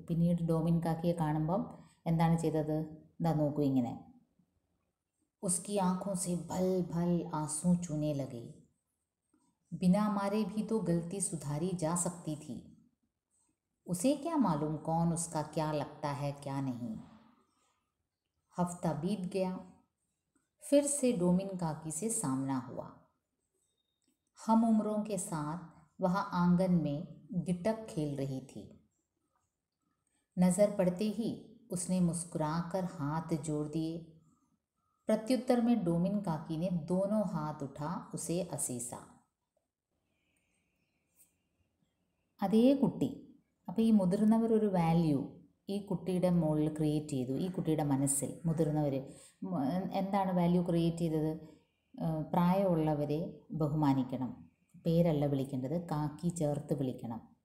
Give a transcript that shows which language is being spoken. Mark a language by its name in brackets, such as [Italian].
[Malayalam] പിന്നീട് ഡോമിൻ കാക്കിയെ കാണുമ്പം എന്താണ് ചെയ്തത്, ഇതാ നോക്കൂ ഇങ്ങനെ. [Hindi] उसकी आंखों से भल भल आंसू चूने लगे। बिना मारे भी तो गलती सुधारी जा सकती थी। उसे क्या मालूम कौन उसका क्या लगता है क्या नहीं। हफ्ता बीत गया, फिर से डोमिन काकी से सामना हुआ। हम उम्रों के साथ वह आंगन में गिटक खेल रही थी। नज़र पड़ते ही उसने मुस्कुराकर हाथ जोड़ दिए। प्रत्युत्तर में डोमिन काकी ने दोनों हाथ उठा उसे असीसा। [Malayalam] അതേ കുട്ടി, അപ്പോൾ ഈ മുതിർന്നവർ ഒരു വാല്യൂ ഈ കുട്ടിയുടെ മുകളിൽ ക്രിയേറ്റ് ചെയ്തു, ഈ കുട്ടിയുടെ മനസ്സിൽ മുതിർന്നവർ എന്താണ് വാല്യൂ ക്രിയേറ്റ് ചെയ്തത്? പ്രായമുള്ളവരെ ബഹുമാനിക്കണം, പേരല്ല വിളിക്കേണ്ടത്, കാക്കി ചേർത്ത് വിളിക്കണം.